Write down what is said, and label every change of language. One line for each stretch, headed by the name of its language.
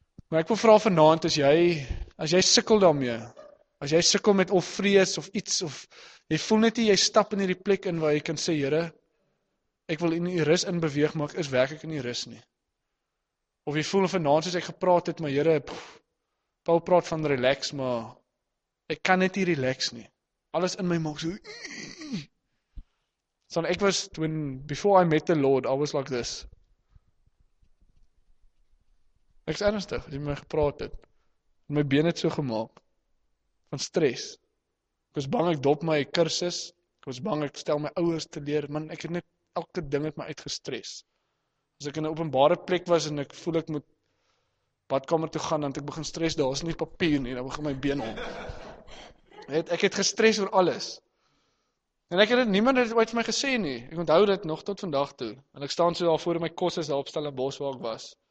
Afrikaans: Maar ek wil vra vanaand, as jy sukkel daarmee, as jy sukkel met of vrees of iets, of jy voel net nie, jy stap in hierdie plek in waar jy kan sê, Here, ek wil in die rus in beweeg, maar ek is werklik in die rus nie. Of jy voel vanaand, soos ek gepraat het, maar Here, Paul praat van relax, maar ek kan net nie relax nie. Alles in my maak so,
English: So
Afrikaans: ek was
English: when before I met the Lord, I was like this.
Afrikaans: Ek's ernstig, as jy met my gepraat het. My been het so gemaak van stres. Ek was bang ek dop my kursus. Ek was bang ek stel my ouers teleur. Man, ek het net elke ding het my uitgestres. As ek in 'n openbare plek was en ek voel ek moet badkamer toe gaan, dan het ek begin stres. Daar is nie papier nie, dan begin my been om. Ek het gestres oor alles. En ek het dit niemand het ooit vir my gesê nie. Ek onthou dit nog tot vandag toe. En ek staan so daar voor my kos is daar op Stellenbosch waar ek was.